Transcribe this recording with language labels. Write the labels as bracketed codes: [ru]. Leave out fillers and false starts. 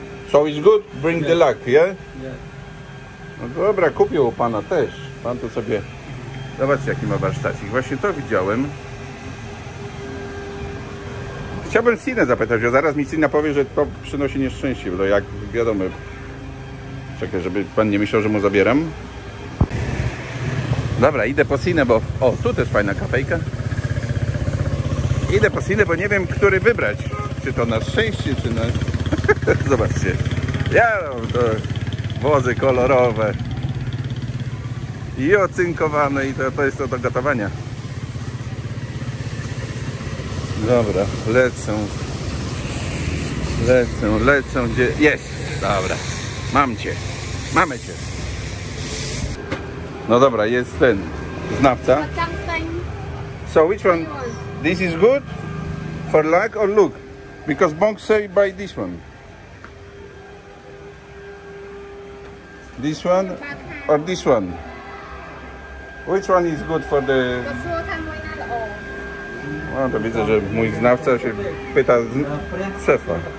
[en] So it's good, bring the luck, yeah? Yeah. [pl] No dobra, kupił u pana też. Pan tu sobie... Zobaczcie, jaki ma warsztacik. Właśnie to widziałem. Chciałbym Sinę zapytać, bo zaraz mi Sina powie, że to przynosi nieszczęście. No jak wiadomo... Czekaj, żeby pan nie myślał, że mu zabieram. Dobra, idę po Sinę, bo... O, tu też fajna kafejka. Idę po Sinę, bo nie wiem, który wybrać. Czy to na szczęście, czy na... Zobaczcie. Ja... to. Wozy kolorowe i ocynkowane, i to jest to do gotowania. Dobra, lecą, gdzie jest. Dobra, mam cię, mamy cię. No dobra, jest ten znawca. [en] So which one? This is good for luck or look? Because Bong say buy this one. This one or this one? Which one is good for the... The small time, why not all? [pl] No to widzę, że mój znawca się pyta z szefa.